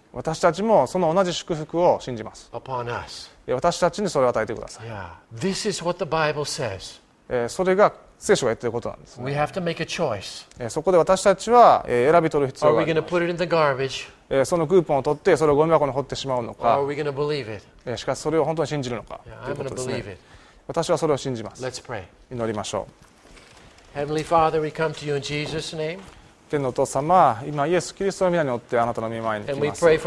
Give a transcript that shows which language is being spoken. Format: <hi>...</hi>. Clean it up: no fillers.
<ja>私たちもその同じ祝福を信じます。私たちにそれを与えてください。 yeah.</ja> <en>This is what the Bible says.</en> <ja>それが聖書が言っていることなんですね。</ja> <en>We have to make a choice.</en> <ja>そこで私たちは選び取る必要があります。そのクーポンを取ってそれをゴミ箱に放ってしまうのか、</ja> <en>Are we gonna believe it?</en> <ja>しかしそれを本当に信じるのか、 yeah. ということですね。</ja> <en>I'm gonna believe it.</en> <ja>私はそれを信じます。</ja> <en>Let's pray.</en> <ja>祈りましょう。</ja> <en>Heavenly Father, we come to you in Jesus' name.</en> <ja>天のお父様、今イエス・キリストの御名によってあなたの御前に来ます。</ja>